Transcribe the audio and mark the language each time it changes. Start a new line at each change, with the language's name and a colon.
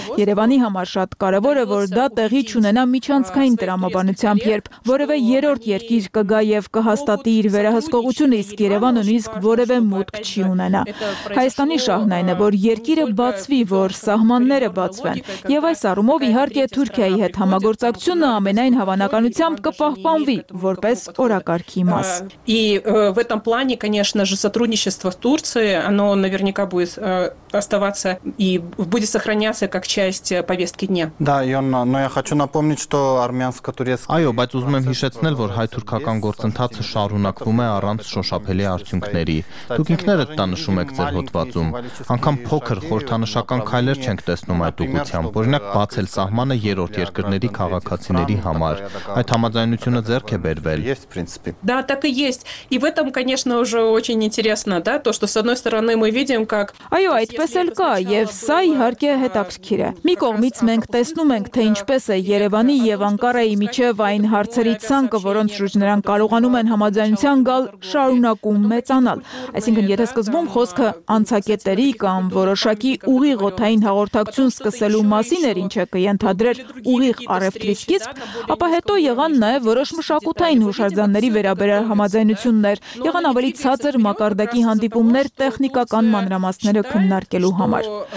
Armenian: Երևանի համար շատ կարեւոր է, որ դա տեղի չունենա միջանցքային տրամաբանությամբ, երբ որևէ երրորդ երկիր կգա եւ կհաստատի իր վերահսկողությունը, իսկ Երևանը նույնիսկ որևէ մուտք չի ունենա։ Հայաստանի շահն այն է, որ երկիրը բացվի, որ սահմանները բացվեն, եւ այս առումով իհարկե Թուրքիայի հետ համագործակցությունը ամենայն հավանականությամբ կպահպանվի որպես օրակարգի մաս։
Russian: И в этом плане, конечно же, сотрудничество с Турцией, оно наверняка будет оставаться и будет сохраняться как часть повестки дня. Да, Йонна, но я хочу напомнить, что армянско-турецкий
Armenian: Այո, բայց ուզում եմ հիշեցնել, որ հայ-թուրքական գործընթացը շարունակվում է առանց շոշափելի արդյունքների։ Դուք ինքներդ տանշում եք ձեր հոդվածում, անգամ փոքր խորհրդանշական քայլեր չենք տեսնում այդ ուղղությամբ, օրինակ բացել սահմանը երրորդ երկրների քաղաքացիների համար։ Այդ համաձայնությունը ձեռք է բերվել։
Russian: Да, так и есть. И в этом, конечно, уже очень интересно, да, то, что с одной стороны мы видим, как
Armenian: Այո, այդպես էլ կա, եւ սա իհարկե հետաքրքիր է։ Մի կողմից մենք տեսնում ենք, թե ինչպես է Երևանի եւ Անկարայի միջև այն հարցերի ցանկը, որոնց շուրջ նրանք կարողանում են համաձայնության գալ, շարունակում մեծանալ։ Այսինքն, եթե սկզբում խոսքը անցակետերի կամ որոշակի ուղիղ օթային հաղորդակցություն սկսելու մասին էր, ինչը կընդհանրեր ուղիղ առևտրի սկիզբ, ապա հետո եղան նաեւ որոշ մշակութային հուշարձանների վերաբերյալ համաձայնություններ, եղան ավելի ցածր մակարդակի հանդիպումներ տեխնիկական մանրամասները քննարկելու համար։